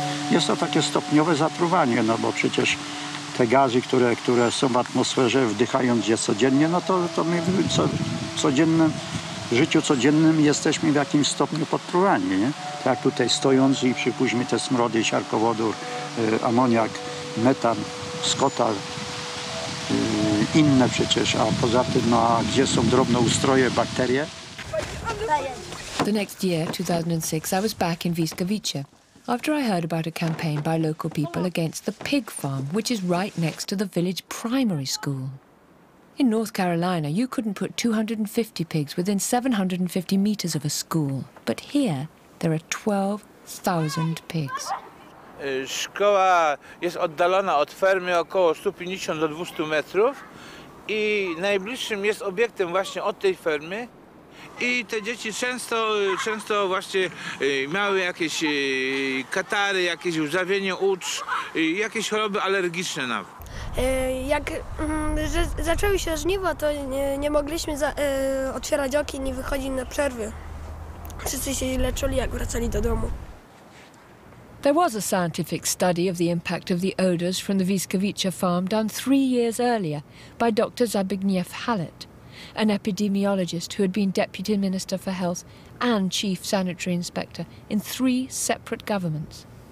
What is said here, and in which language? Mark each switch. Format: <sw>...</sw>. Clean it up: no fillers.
<pl>Jest to takie stopniowe zatruwanie, no bo przecież te gazy, które są w atmosferze, wdychając je codziennie, no to my w codziennym życiu jesteśmy w jakimś stopniu podtruwani, nie? Tak tutaj stojąc i przypuśćmy te smrody, siarkowodór, amoniak, metan, skota, inne przecież, a poza tym, no a gdzie są drobne ustroje, bakterie?</pl> <en>The next year, 2006, I was back in Viskovice, after I heard about a campaign by local people against the pig farm, which is right next to the village primary school. In North Carolina, you couldn't put 250 pigs within 750 meters of a school, but here, there are 12,000 pigs.</en> <pl>Szkoła jest oddalona od fermy około 150 do 200 metrów. i najbliższym jest obiektem właśnie od tej fermy. I te dzieci często właśnie miały jakieś katary, jakieś żawienie ucz, jakieś choroby alergiczne nawet. Jak zaczęły się żniwa, to nie mogliśmy otwierać okien i wychodzić na przerwy. Wszyscy się źle czuli, jak wracali do domu.</pl> <en>There was a scientific study of the impact of the odors from the Wiskowice farm done 3 years earlier by Dr. Zbigniew Hallett, an epidemiologist who had been Deputy Minister for Health and Chief Sanitary Inspector in 3 separate governments.</en>